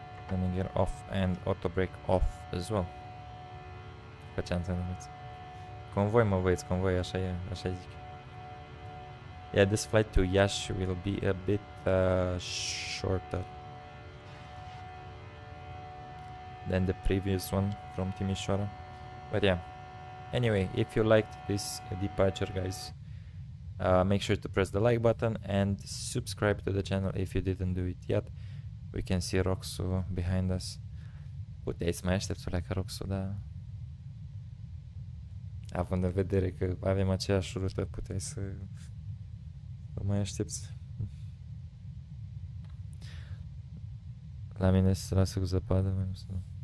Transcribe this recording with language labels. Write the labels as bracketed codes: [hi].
[en] Landing gear off and auto brake off as well. [ro] Ca ce am zis. Convoi, mă băieți, convoi, așa e, așa zic. [en] Yeah, this flight to Iași will be a bit shorter than the previous one from Timișoara. But yeah. Anyway, if you liked this departure, guys, make sure to press the like button and subscribe to the channel if you didn't do it yet. We can see Roxu behind us. [ro] Puteai să mai aștepți o leacă, Roxu, da. Având în vedere că avem aceeași rută, puteai să o mai aștepți. La mine se lasă cu zăpadă, mai să nu.